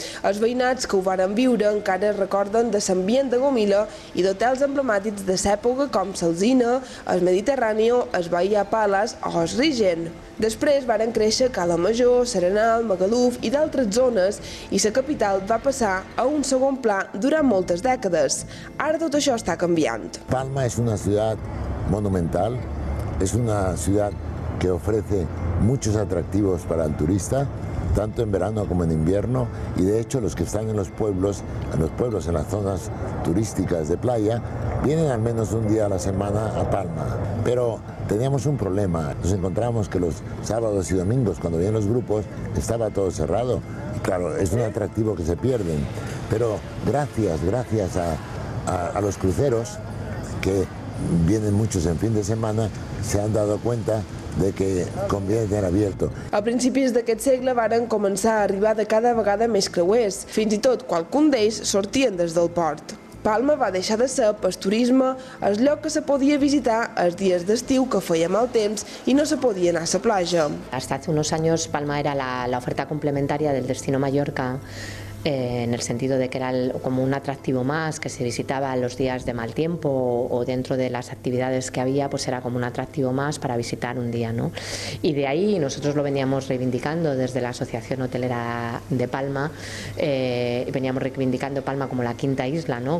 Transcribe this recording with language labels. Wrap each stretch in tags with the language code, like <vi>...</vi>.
<ca>Els veïnats que ho varen viure encara es recorden de l'ambient de Gomila i d'hotels emblemàtics de l'època com l'Alzina, el Mediterrània, el Bahia Palace o el Regent. Després varen créixer Cala Major, Serenal, Magaluf i d'altres zones i la capital va passar a un segon pla durant moltes dècades. Ara tot això està canviant. Palma és una ciutat monumental.</ca> <es>Es una ciudad que ofrece muchos atractivos para el turista, tanto en verano como en invierno, y de hecho los que están en los pueblos, en las zonas turísticas de playa, vienen al menos un día a la semana a Palma. Pero teníamos un problema, nos encontramos que los sábados y domingos, cuando vienen los grupos, estaba todo cerrado. Y claro, es un atractivo que se pierden, pero gracias a los cruceros, que vienen muchos en fin de semana, se han dado cuenta de que conviene tener abierto.</es> <ca>A principis d'aquest segle varen començar a arribar de cada vegada més creuers, fins i tot qualcun d'ells sortien des del port. Palma va deixar de ser, pel turisme, el lloc que se podia visitar els dies d'estiu que feia mal temps i no se podia anar a la platja.</ca> <es>Hasta hace unos años Palma era la oferta complementaria del destino Mallorca, en el sentido de que era como un atractivo más que se visitaba los días de mal tiempo o dentro de las actividades que había, pues era como un atractivo más para visitar un día, ¿no? Y de ahí nosotros lo veníamos reivindicando desde la Asociación Hotelera de Palma, veníamos reivindicando Palma como la quinta isla, ¿no?</es>